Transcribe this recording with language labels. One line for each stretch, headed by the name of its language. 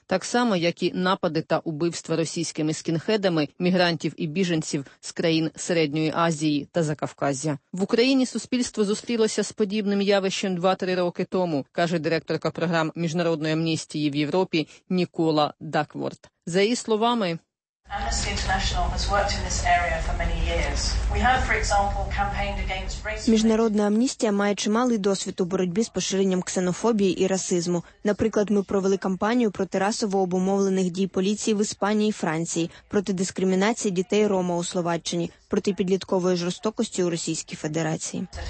Ukrainian: Так само, як і напади та убивства російськими скінхедами мігрантів і біженців з країн Середньої Азії та Закавказя. В Україні суспільство зустрілося з подібним явищем 2-3 роки тому, каже директорка програм міжнародної амністії в Європі Нікола Дакворт. За її словами...
English: Amnesty International has worked in this area for many years. We have, for example, campaigned against racism.
Ukrainian: Міжнародна амністія має чималий досвід у боротьбі з поширенням ксенофобії і расизму. Наприклад, ми провели кампанію проти расово обумовлених дій поліції в Іспанії і Франції, проти дискримінації дітей рома у Словаччині, проти підліткової жорстокості у Російській Федерації.